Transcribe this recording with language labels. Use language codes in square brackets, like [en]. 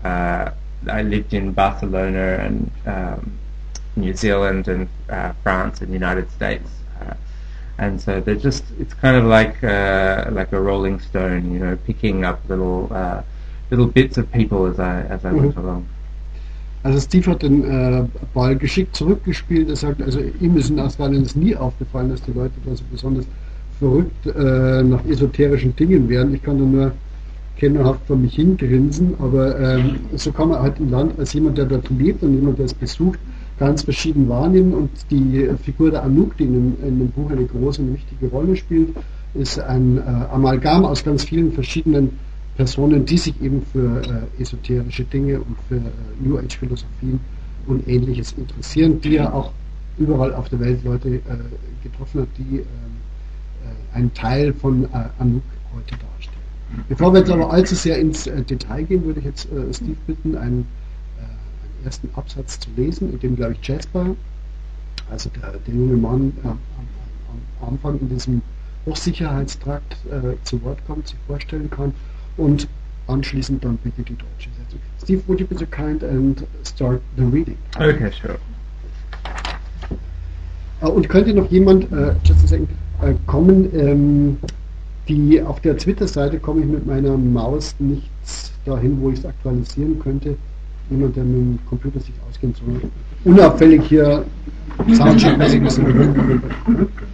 [en] I lived in Barcelona and New Zealand and France and the United States. And so they're just, it's kind of like a rolling stone, you know, picking up little bits of people as I went along. [de] Also Steve hat den Ball geschickt zurückgespielt. Er sagt, also ihm ist in Australien nie aufgefallen, dass die Leute da so besonders verrückt nach esoterischen Dingen wären. Ich kann da nur kennerhaft vor mich hingrinsen, aber so kann man halt im Land als jemand, der dort lebt und jemand, der es besucht, ganz verschieden wahrnehmen. Und die Figur der Anouk, die in dem Buch eine große und wichtige Rolle spielt, ist ein Amalgam aus ganz vielen verschiedenen Personen, die sich eben für esoterische Dinge und für New Age Philosophien und Ähnliches interessieren, die ja auch überall auf der Welt Leute getroffen hat, die einen Teil von Anouk heute darstellen. Bevor wir jetzt aber allzu sehr ins Detail gehen, würde ich jetzt Steve bitten, einen ersten Absatz zu lesen, in dem, glaube ich, Jasper, also der junge Mann am Anfang in diesem Hochsicherheitstrakt zu Wort kommt, sich vorstellen kann. Und anschließend dann bitte die deutsche Sätze. [en] Steve, would you be so kind and start the reading? Okay, sure. [de] Und könnte noch jemand, [en] just a second, [de] kommen, die auf der Twitter-Seite komme ich mit meiner Maus nicht dahin, wo ich es aktualisieren könnte. Jemand, der mit dem Computer sich auskennt, so unauffällig hier Soundcheck-mäßig müssen.